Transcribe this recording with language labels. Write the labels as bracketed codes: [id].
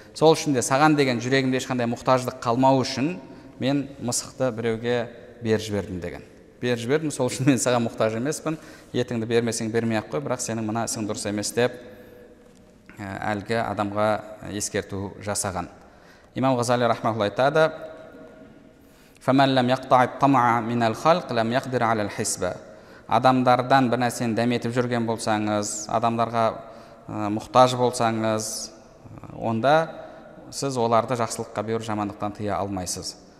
[kk] Сол үшін де саған деген жүрегімде ешқандай мұқтаждық қалмау үшін мен мысықты біреуге беріп жібердім деген. Беріп жібердім, сол үшін мен саған мұқтаж емеспін, етіңді бермесең бермей ақ қой, бірақ сенің мына ісің дұрыс емес деп әлгі адамға ескерту жасаған. Имам Ғазали рахмаһуллах айтады, [ar] فَمَنْ لَمْ يَقْطَعِ الطَّمَعَ مِنَ الْخَلْقِ لَمْ يَقْدِرْ عَلَى الْحِسْبَ. [kk] Адамдардан бір нәрсені дәметіп жүрген болсаңыз, адамдарға мұқтаж болсаңыз, онда сіз оларды жақсылыққа бұйыр, жамандықтан тыя алмайсыз.